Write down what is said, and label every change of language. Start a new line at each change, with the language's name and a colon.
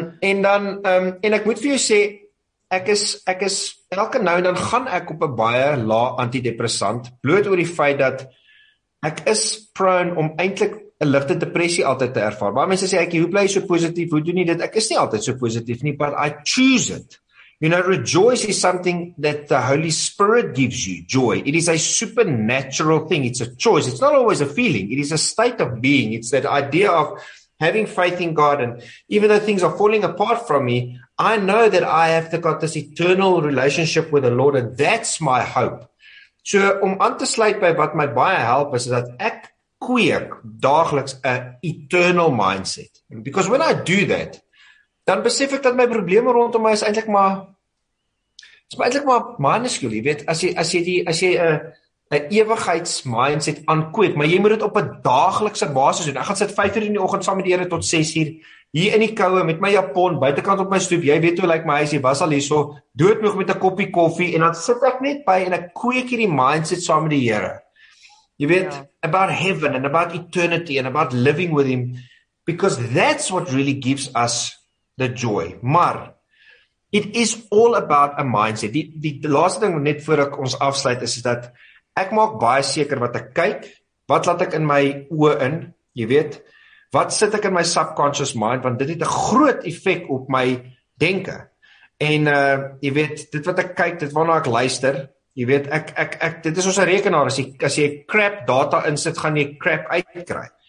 Afrikaans: En ek moet vir jou sê ek is elke nou en dan gaan ek op 'n baie lae antidepressant bloot oor die feit dat ek is prone om eintlik 'n ligte depressie altyd te ervaar. Baie mense sê ek hoe bly jy so positief? Hoe doen jy dit? Ek is nie altyd so positief nie,
English: but I choose it. You know, rejoice is something that the Holy Spirit gives you, joy. It is a supernatural thing. It's a choice. It's not always a feeling. It is a state of being. It's that idea of having faith in God and even though things are falling apart from me, I know that I have to got this eternal relationship with the Lord and that's my hope.
Afrikaans: So om aan te sluit by wat my baie help is dat ek kweek daagliks 'n eternal mindset.
English: Because when I do that,
Afrikaans: dan besef ek dat my probleme rondom my is eintlik maar minuscule. Jy weet, as jy 'n ewigheids mindset aankweek, maar jy moet dit op 'n daaglikse basis doen. Ek gaan sit 5:00 in die oggend saam met die Here tot 6:00 hier in die koue met my japon buitekant op my stoep. Jy weet hoe lyk my huis, jy was al hierso, doodmoeg met 'n koppie koffie en dan sit ek net by en ek kweek hierdie mindset saam met die Here. Jy weet,
English: about heaven and about eternity and about living with him because that's what really gives us the joy.
Afrikaans: Maar
English: it is all about a mindset.
Afrikaans: Die laaste ding net voor ek ons afsluit is dat ek maak baie seker wat ek kyk, wat laat ek in my oë in, jy weet, wat sit ek in my subconscious mind, want dit het 'n groot effek op my denke. En jy weet, dit wat ek kyk, dit waarna ek luister, jy weet, ek dit is ons rekenaar, as jy crap data insit, gaan jy crap uitkry.